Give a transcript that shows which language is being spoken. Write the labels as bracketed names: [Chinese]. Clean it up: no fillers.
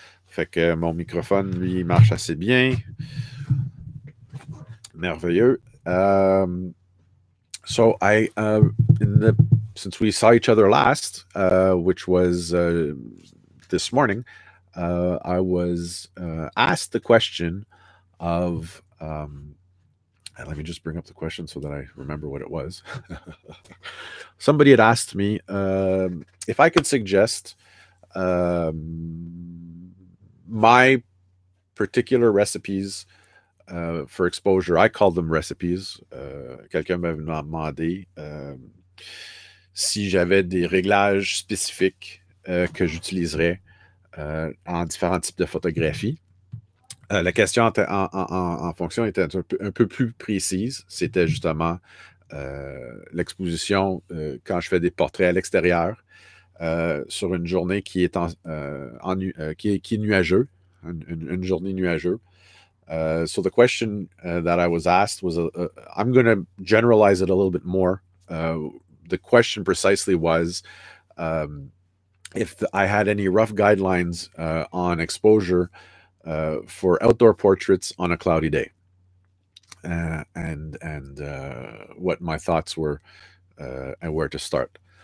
[French] Fait que mon microphone, lui, marche assez bien. Merveilleux. [English] So, I, in the, since we saw each other last, which was this morning, I was asked the question of, and let me just bring up the question so that I remember what it was. Somebody had asked me if I could suggest... my particular recipes for exposure, I call them recipes. [French] Quelqu'un m'a demandé si j'avais des réglages spécifiques que j'utiliserais en différents types de photographies. La question en fonction était un peu plus précise. C'était justement l'exposition quand je fais des portraits à l'extérieur. Sur une journée qui est qui est nuageuse, une journée nuageuse. [English] So the question that I was asked was, I'm going to generalize it a little bit more. The question precisely was, if I had any rough guidelines on exposure for outdoor portraits on a cloudy day, and what my thoughts were, and where to start.